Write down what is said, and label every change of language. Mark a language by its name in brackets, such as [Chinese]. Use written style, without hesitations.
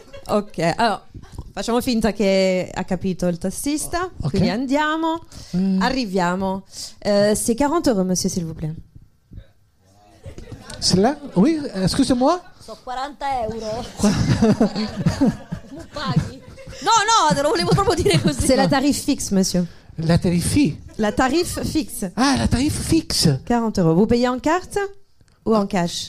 [Italian] Ok, allora facciamo finta che ha capito il tassista. Okay. Quindi andiamo. Arriviamo. [French] C'est 40 euros, monsieur, s'il vous plaît. C'est là? Oui, excusez-moi. [Italian] Sono 40 euro. Mi paghi? No, te lo volevo proprio dire così. [French] C'est la tarif fixe, monsieur. La tarifie. La tarif fixe. Ah, la tarif fixe. 40 euros. Vous payez en carte ou en cash?